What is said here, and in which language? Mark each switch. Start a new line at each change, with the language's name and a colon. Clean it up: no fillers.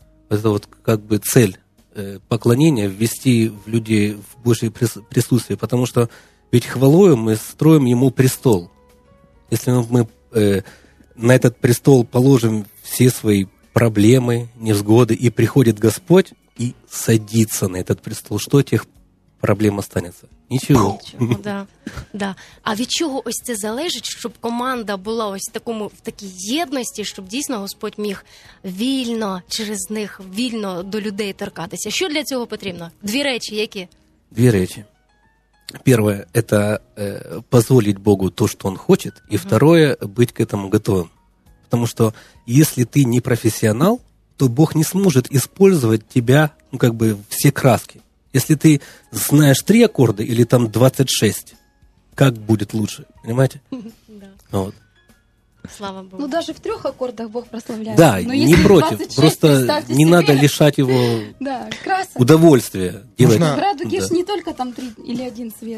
Russian: Это вот как бы цель поклонения, ввести в людей в Божье присутствие, потому что ведь хвалою мы строим Ему престол. Если мы на этот престол положим все свои проблемы, невзгоды, и приходит Господь и садится на этот престол, что тех проблема станеться.
Ukrainian: Нічого.
Russian: Да, да.
Ukrainian: А від чого ось це залежить, щоб команда була ось такому, в такій єдності, щоб дійсно Господь міг вільно через них, вільно до людей торкатися? Що для цього потрібно? Дві речі які? Дві речі. Перше – це дозволити Богу то, що Він хоче. І
Russian: второе
Ukrainian: – бути
Russian: к этому готовим.
Ukrainian: Тому що, якщо ти не професіонал, то Бог не зможе використовувати тебе, ну, як би, всі краски.
Russian: Если ты знаешь 3 аккорда или там 26, как будет лучше, понимаете? Да. Вот. Слава Богу. Ну, даже в 3 аккордах Бог прославляет. Да, не против, просто не надо лишать его удовольствия. В радуге же не только там 3 или 1 цвет.